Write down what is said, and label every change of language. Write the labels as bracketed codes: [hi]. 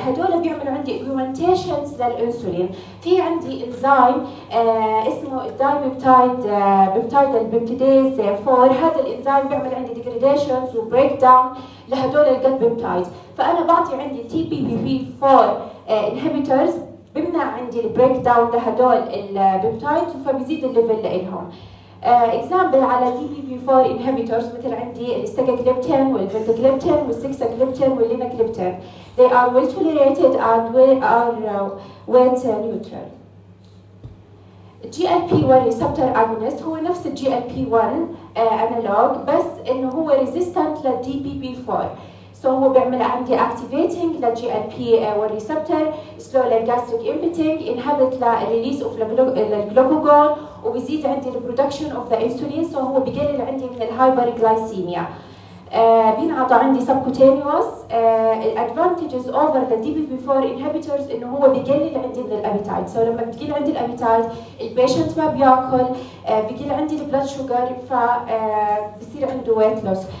[ar] هدول بيعملوا عندي اوغمنتيشنز للانسولين. في عندي انزيم اسمه الدايبيبتايد بيبتايد البيبتيديز 4, هذا الانزيم بيعمل عندي ديجريديشنز وبريك داون لهدول الجت بيبتايد, فانا بعطي عندي تي بي بي بي 4 انهبيتورز بمنع عندي البريك داون لهدول البيبتايد فبيزيد الليفل لهم. اكزامبل على تي بي بي 4 انهبيتورز مثل عندي الاستاجليبتين والفيتاجليبتين والسيكساجليبتين واللينجليبتين, [en] they are well tolerated and weight neutral. [ar] GLP-1 receptor agonist هو نفس GLP-1 analog بس انه هو resistant لDPP-4, so هو بيعمل عندي activating لGLP-1 receptor, [en] slow gastric emptying, [ar] inhibit لrelease of الجلوكوجون وبيزيد عندي [en] the production of the insulin, [ar] so هو بيقلل عندي من الهايبرغلايسيميا. بينعطى عندي subcutaneous [en] advantages over the DPP-4 inhibitors [ar] إنه هو بيقلل عندي من الأبيتايت. So لما بيقل عندي الأبيتايت البيشنت ما بياكل, بيقل عندي البلد شوغر, فبصير عنده weight loss.